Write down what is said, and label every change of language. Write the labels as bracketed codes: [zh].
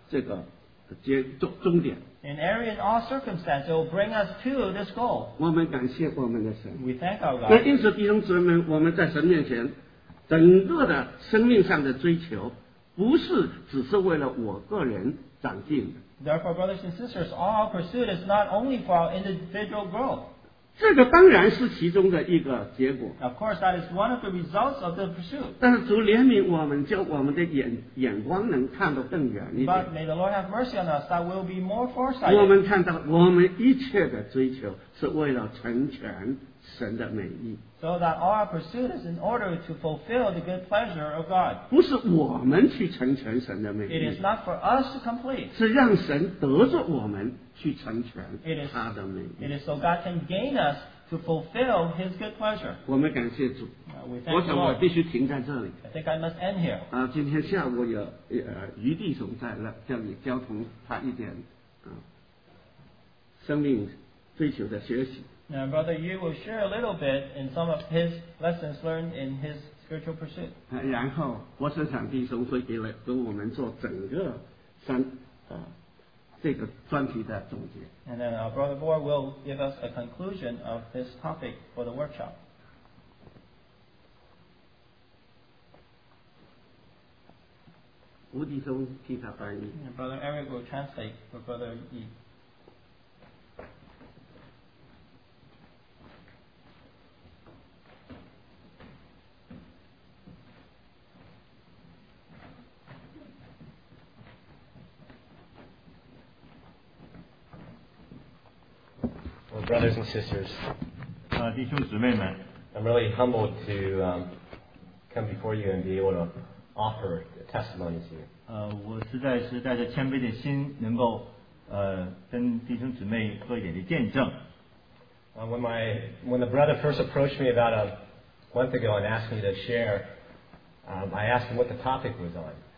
[zh] 从各方面点点滴滴的把我们带到这个终点。 [en] In every and all circumstances, it will bring us to this goal. [zh] 我们感谢我们的神。 [en] We thank our God. [zh] 那因此弟兄姊妹们, 我们在神面前, 整个的生命上的追求, 不是只是为了我个人长进的。 [en] Therefore, brothers and sisters, all our pursuit is not only for our individual growth. [zh] 这个当然是其中的一个结果。 [en] Of course, that is one of the results of the pursuit. [zh] 但是主怜悯我们，叫我们的眼光能看得更远一点。 [en] But may the Lord have mercy on us that will be more foresighted. [zh] 我们看到我们一切的追求是为了成全神的美意。 [en] So that all our pursuit is in order to fulfill the good pleasure of God. [zh] 不是我们去成全神的美意。 [en] It is not for us to complete. [zh] 是让神得着我们去成全他的美意。 [en] It is so God can gain us to fulfill his good pleasure. [zh] 我们感谢主。 [en] We thank God. [zh] 我想我必须停在这里。 [en] I think I must end here. [zh] 今天下午有余弟兄在那，叫你交通他一点生命追求的学习。 [en] Now, Brother Yu will share a little bit in some of his lessons learned in his spiritual pursuit. [zh] 然后我身上弟兄会给了跟我们做整个三这个专题的总结。 [en] And then our Brother Bor will give us a conclusion of this topic for the workshop. [zh] 吴弟兄替他翻译。 [en] And Brother Eric will translate for Brother Yu. Brothers and sisters, [zh] 弟兄姊妹们, [en] I'm really humbled to come before you and be able to offer a testimony to you. [zh] 我实在是带着谦卑的心能够跟弟兄姊妹做一点的见证。 [en] When the brother first approached me about a month ago and asked me to share, I asked him what the topic was on.